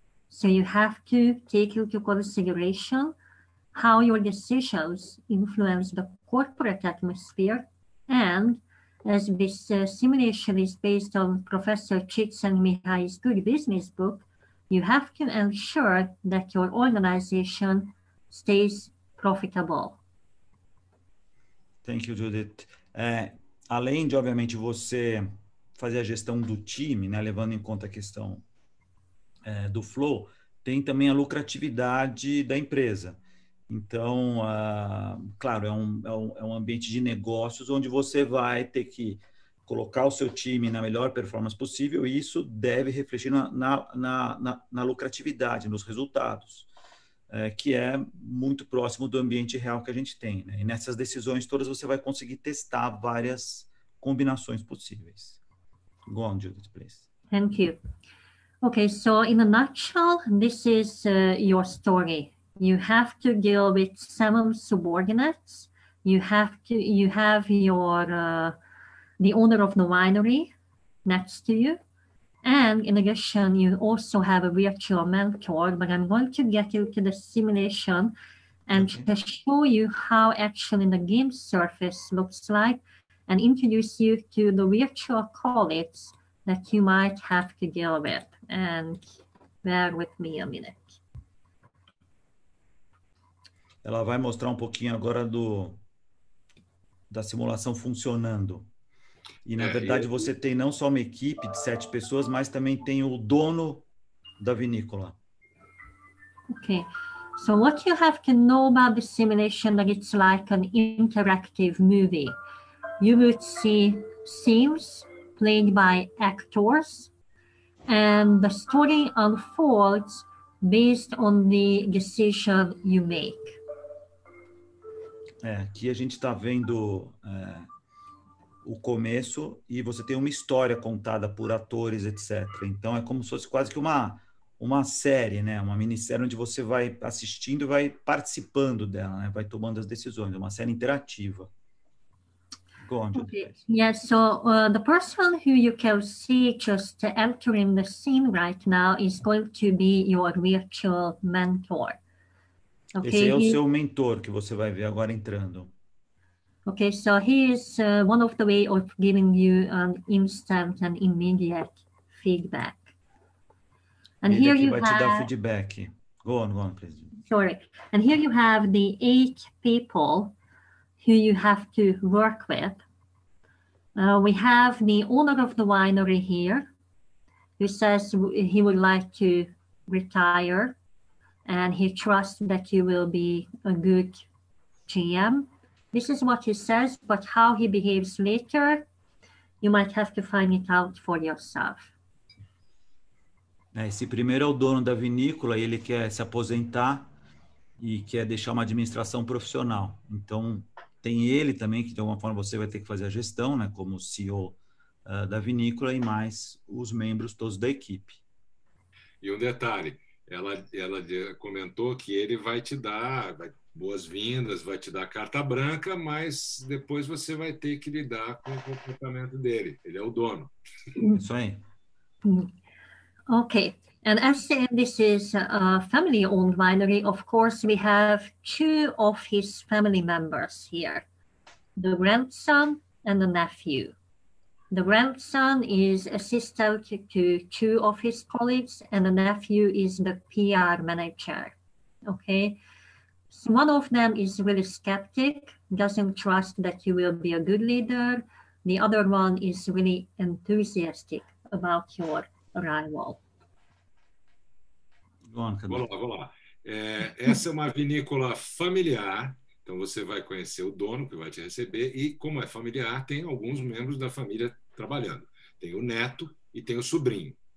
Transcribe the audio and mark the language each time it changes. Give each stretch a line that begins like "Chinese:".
English: So you have to take into consideration how your decisions influence the corporate atmosphere. And as this simulation is based on Professor Chitz and Mihai's Good Business Book, you have to ensure that your organization stays profitable. Thank you, Judith.
Portuguese: Além de, obviamente, você fazer a gestão do time, né, levando em conta a questão do flow, tem também a lucratividade da empresa. Então, claro, é um ambiente de negócios onde você vai ter que colocar o seu time na melhor performance possível, e isso deve refletir na lucratividade, nos resultados, que é muito próximo do ambiente real que a gente tem, né? E nessas decisões todas você vai conseguir testar várias combinações possíveis.
English: Go on, Judith, please. Thank you. Okay, so in a nutshell, this is your story. You have to deal with 7 subordinates. The owner of the winery next to you. And in addition, you also have a virtual mentor, but I'm going to get you to the simulation and to show you how actually the game surface looks like and introduce you to the virtual colleagues that you might have to deal with. And bear with me a minute.
Portuguese: Ela vai mostrar um pouquinho agora da simulação funcionando. E, na verdade, você tem não só uma equipe de 7 pessoas, mas também tem o dono da vinícola.
English: Okay. So what you have to know about the simulation, that it's like an interactive movie. You would see scenes played by actors, and the story unfolds based on the decision you make.
Portuguese: É, aqui a gente está vendo o começo e você tem uma história contada por atores, etc. Então é como se fosse quase que uma série, né? Uma minissérie onde você vai assistindo e vai participando dela, né? Vai tomando as decisões, uma série interativa.
English: Okay. Yes, yeah, so the person who you can see just entering the scene right now is going to be your virtual mentor. Okay?
Portuguese: Esse é o seu mentor que você vai ver agora entrando.
English: Okay, so he is one of the way of giving you an instant and immediate feedback. And ele here aqui you vai have... te dar feedback. Go on, please. Sorry. And here you have the 8 people who you have to work with. We have the owner of the winery here, who says he would like to retire, and he trusts that you will be a good GM. This is what he says, but how he behaves later, you might have to find it out for yourself.
Portuguese: Esse primeiro é o dono da vinícola, e ele quer se aposentar e quer deixar uma administração profissional. Então, tem ele também, que de alguma forma você vai ter que fazer a gestão, né, como CEO da vinícola, e mais os membros todos da equipe. E um detalhe, ela comentou que ele vai te dar boas-vindas, vai te dar carta branca, mas depois você vai ter que lidar com o comportamento dele. Ele é o dono. Isso aí. Ok.
English: And as this is a family-owned winery, of course, we have 2 of his family members here, the grandson and the nephew. The grandson is assistant to 2 of his colleagues, and the nephew is the PR manager, okay? So one of them is really skeptic, doesn't trust that you will be a good leader. The other one is really enthusiastic about your arrival.
Portuguese: Vamos lá. Essa é uma vinícola familiar, então você vai conhecer o dono que vai te receber, e como é familiar, tem alguns membros da família trabalhando. Tem o neto e tem o sobrinho.